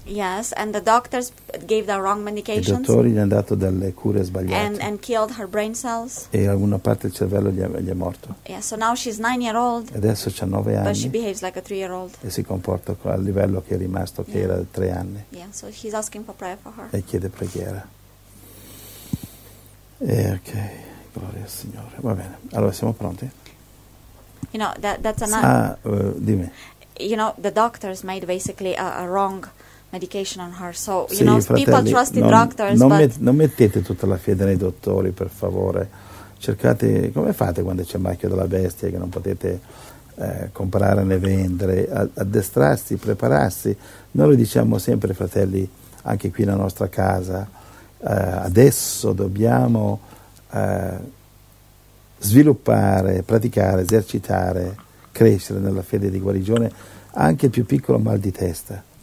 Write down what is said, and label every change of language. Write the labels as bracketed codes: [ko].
[en] Yes, and the doctors gave the wrong medications. [it] I dottori gli hanno dato delle cure sbagliate. [en] And killed her brain cells. [it] E una parte del cervello gli è morto. [en] Yeah, so now she's 9 years old. [it] Adesso c'ha 9 anni. [en] But she behaves like a 3-year-old. [it] E si comporta a livello che è rimasto, che era 3 anni. [en] Yeah, so he's asking for prayer for her. [it] E chiede preghiera. E ok, gloria al Signore. Va bene, allora siamo pronti? [en] You know, that's another... [it] Dimmi. [en] You know, the doctors made basically a wrong medication on her. So, [it] sì, [en] you know, [it] fratelli, [en] people trust in doctors, [it] non mettete tutta la fede nei dottori, per favore. Cercate, come fate quando c'è il marchio della bestia che non potete comprare né vendere? Addestrarsi, prepararsi. Noi lo diciamo sempre, fratelli, anche qui nella nostra casa, adesso dobbiamo sviluppare, praticare, esercitare, crescere nella fede di guarigione anche il più piccolo mal di testa.